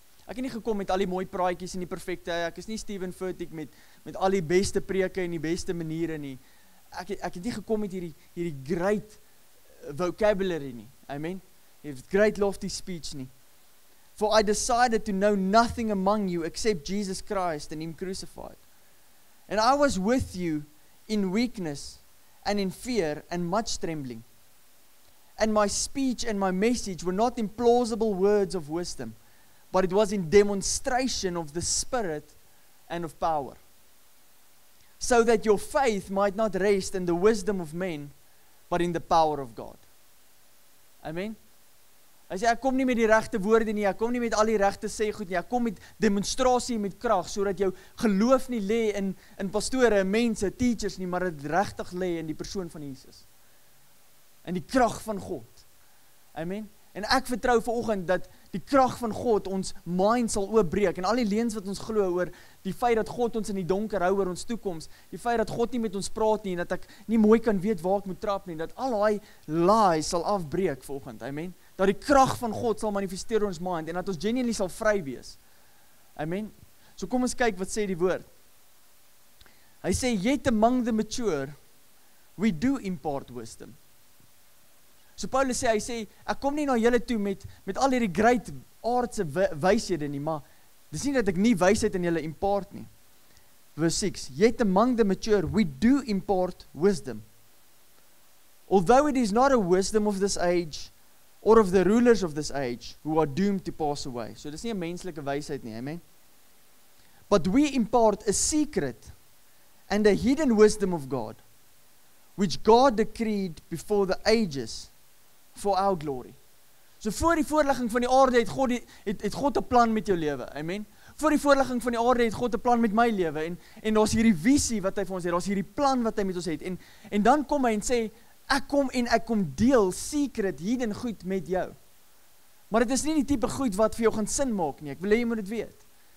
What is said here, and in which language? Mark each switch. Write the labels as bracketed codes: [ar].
[af] Ek het nie gekom met al die mooi praatjies en die perfekte, ek is nie Stephen Furtick met al die beste preke en die beste maniere nie. Ek het nie gekom met hierdie [en] great vocabulary [af] nie. Amen. Hierdie [en] great lofty speech [af] nie. [en] "For I decided to know nothing among you except Jesus Christ and him crucified. And I was with you in weakness and in fear and much trembling. And my speech and my message were not in plausible words of wisdom, but it was in demonstration of the Spirit and of power. So that your faith might not rest in the wisdom of men, but in the power of God." [af] Amen. Hy sê, ek kom nie met die regte woorde nie, ek kom nie met al die regte sê goed nie, ek kom met demonstrasie met krag, so dat jou geloof nie lê in pastore, mense, teachers nie, maar het regtig lê in die persoon van Jesus. En die krag van God. Amen. En ek vertrou vanoggend dat die krag van God ons mind sal oopbreek. En al die leuns wat ons glo oor die feit dat God ons in die donker hou oor ons toekoms. Die feit dat God nie met ons praat nie en dat ek nie mooi kan weet waar ek moet trap nie. Dat al die lies sal afbreek vanoggend. Amen. Dat die krag van God sal manifesteer ons mind en dat ons genuinely sal vry wees. Amen. So kom ons kyk wat sê die woord. Hy sê, [en] "Yet among the mature, we do impart wisdom." [af] So Paulus sê, hy sê, ek kom nie na julle toe met al hierdie great aardse wyshede nie, maar dis nie dat ek nie wysheid in julle impart nie. [en] Verse 6, "Yet among the mature, we do impart wisdom. Although it is not a wisdom of this age, or of the rulers of this age, who are doomed to pass away." [af] So dis nie 'n menslike wysheid nie, amen. [en] "But we impart a secret and a hidden wisdom of God, which God decreed before the ages, for our glory." [af] So voor die voorligging van die aarde het God 'n plan met jou lewe. Amen. Voor die voorligging van die aarde het God 'n plan met my lewe en daar's hierdie visie wat hy vir ons het. Daar's hierdie plan wat hy met ons het. En dan kom hy en sê ek kom deel [en] secret hidden [af] goed met jou. Maar dit is nie die tipe goed wat vir jou gaan sin maak nie. Ek wil hê jy moet dit weet.